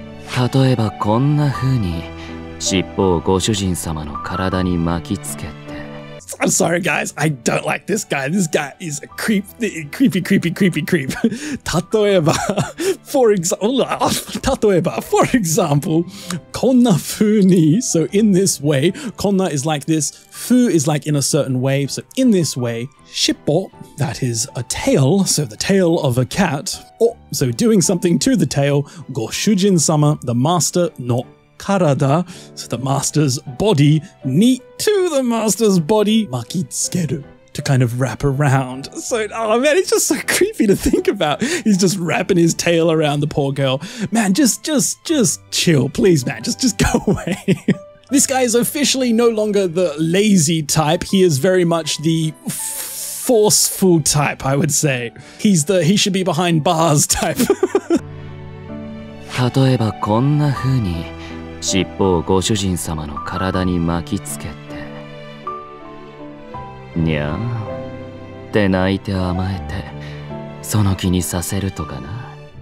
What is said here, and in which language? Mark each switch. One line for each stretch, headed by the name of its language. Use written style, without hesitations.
Japanese: 例えばこんな風に尻尾をご主人様の体に巻きつけて。
English: I'm sorry guys, I don't like this guy. This guy is a creep, creepy, creepy, creepy, creep. 例えば、for example, 例えば、for example,
Japanese: こんな風に、
English: so in this way, こんな is like this, 風 is like in a certain way, so in this way, 尻尾, that is a tail, so the tail of a cat, or, so doing something to the tail,
Japanese: ご主人様,
English: the master, の Karada, so the master's body, ni to the master's body, makitsukeru, to kind of wrap around. So, oh man, it's just so creepy to think about. He's just wrapping his tail around the poor girl. Man, just chill, please, man, just go away. This guy is officially no longer the lazy type. He is very much the forceful type, I would say. He should be behind bars type.
Japanese: 例えばこんな風に尻尾をご主人様の体に巻きつけて、にゃーって泣いて甘えて、その気にさせるとかな。